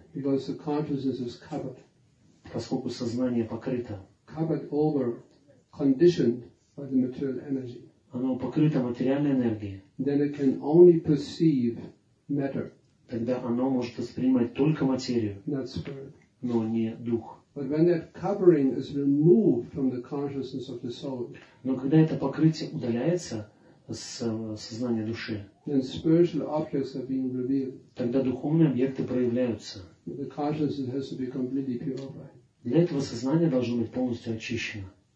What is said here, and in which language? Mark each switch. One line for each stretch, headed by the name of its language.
English: Because the consciousness is covered.
Russian: Поскольку сознание покрыто.
English: Covered over, conditioned by the material energy.
Russian: Оно покрыто материальной энергией.
English: Then it can only perceive matter.
Russian: Тогда оно может воспринимать только материю,
English: not spirit.
Russian: Но не дух.
English: But when that covering is removed from the consciousness of the soul,
Russian: но когда это покрытие удаляется с сознания души,
English: then spiritual objects are being revealed.
Russian: Тогда духовные объекты проявляются.
English: The consciousness has to be completely purified.
Russian: Для этого сознание должно быть полностью очищено.